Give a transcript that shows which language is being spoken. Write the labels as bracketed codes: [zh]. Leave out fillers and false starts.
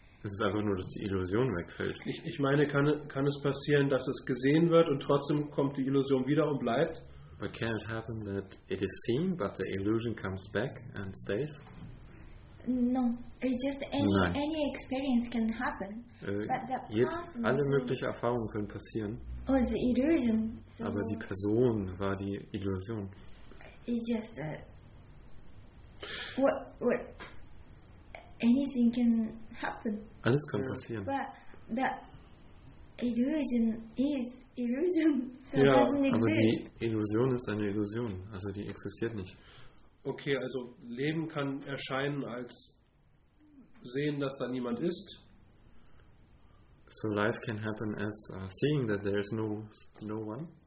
[de] Es ist einfach nur, dass die Illusion wegfällt. Ich meine, kann es passieren, dass es gesehen wird und trotzdem kommt die Illusion wieder und bleibt? [en] But can it happen that it is seen, but the illusion comes back and stays? No, it's just any experience can happen. [de] Alle möglichen Erfahrungen können passieren. [en] Or the illusion. [de] So aber die Person war die Illusion. [en] It's just what. Anything can happen. [de] Alles kann passieren. [en] But the illusion is illusion. So yeah. [de] Aber die Illusion ist eine Illusion. Also die existiert nicht. Okay, also Leben kann erscheinen als sehen, dass da niemand ist. [en] So life can happen as seeing that there is no one.